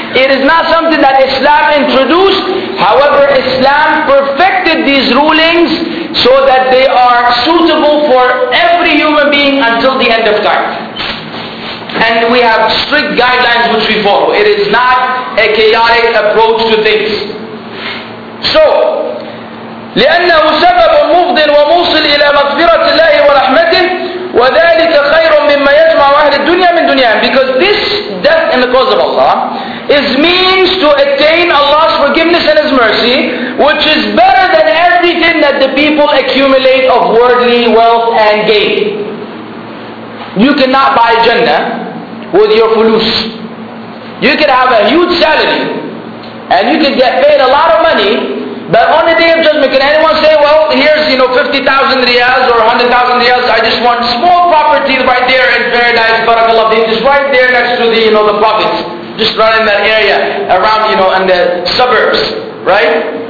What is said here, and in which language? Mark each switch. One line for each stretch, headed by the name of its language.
English: It is not something that Islam introduced. However, Islam perfected these rulings so that they are suitable for every human being until the end of time. And we have strict guidelines which we follow. It is not a chaotic approach to things.
Arabic: So, لأنه سبب مفض وموصل إلى مغفرة الله ورحمته وذلك خير مما يجمع أهل الدنيا من دنيا.
English: Because this death in the cause of Allah is means to attain Allah's forgiveness and His mercy, which is better than everything that the people accumulate of worldly wealth and gain. You cannot buy Jannah with your fulus. You can have a huge salary and you can get paid a lot of money, but on the day of judgment, can anyone say, well, here's, you know, 50,000 riyals or 100,000 riyals, I just want small property right there in paradise, barakallah, just right there next to the, you know, the prophets, just right in that area around, you know, in the suburbs, right?